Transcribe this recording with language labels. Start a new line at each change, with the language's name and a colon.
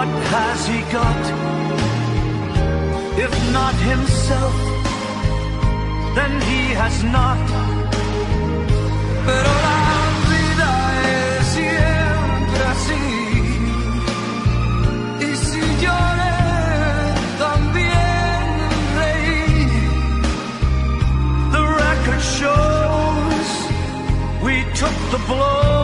English: has he got, if not himself, then he has not.
Spanish: Pero la vida es siempre así, y si lloré también reí.
English: The record shows we took the blow.